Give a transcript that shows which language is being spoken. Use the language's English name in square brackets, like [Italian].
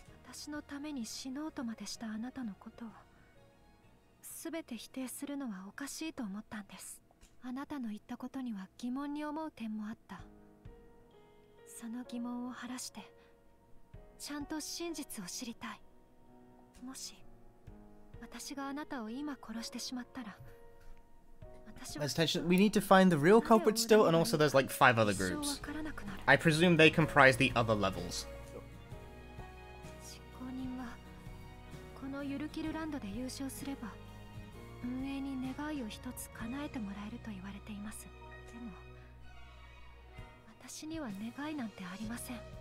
[Japanese] 私のために死のうとまでしたあなたのことを全て否定するのはおかしいと思ったんです。あなたの言ったことには疑問に思う点もあった。その疑問を晴らしてちゃんと真実を知りたい。もし私があなたを今殺してしまったら、私は Attention. [English] We need to find the real culprit still, and also there's like 5 other groups. I presume they comprise the other levels. [Japanese] 執行人はこのゆるキルランドで優勝すれば運営に願いを一つ叶えてもらえると言われています。でも私には願いなんてありません。